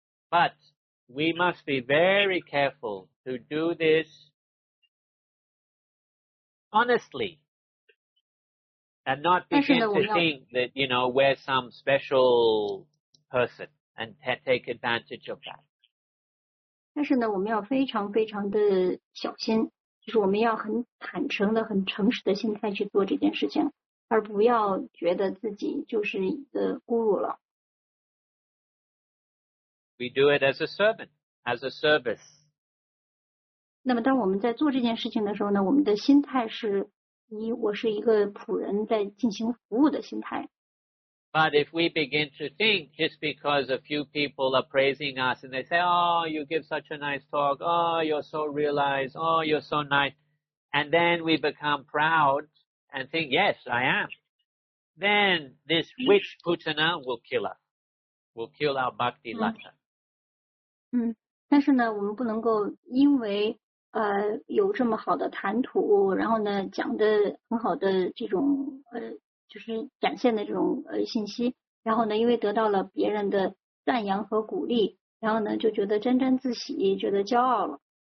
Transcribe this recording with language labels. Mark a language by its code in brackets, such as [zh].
[en] But we must be very careful to do this honestly and not begin to think that you know we're some special person and take advantage of that. [zh] 但是呢，我们要非常非常的小心，就是我们要很坦诚的、很诚实的心态去做这件事情，而不要觉得自己就是一个guru了。 [en] We do it as a servant, as a service. [zh] 那么，当我们在做这件事情的时候呢，我们的心态是以我是一个仆人在进行服务的心态。 [en] But if we begin to think just because a few people are praising us and they say, oh, you give such a nice talk, oh, you're so realized, oh, you're so nice, and then we become proud and think, yes, I am, then this wish putana will kill us, will kill our bhakti lata. [zh] 但是呢，我们不能够因为有这么好的谈吐，然后呢讲的很好的这种就是展现的这种信息，然后呢因为得到了别人的赞扬和鼓励，然后呢就觉得沾沾自喜，觉得骄傲了。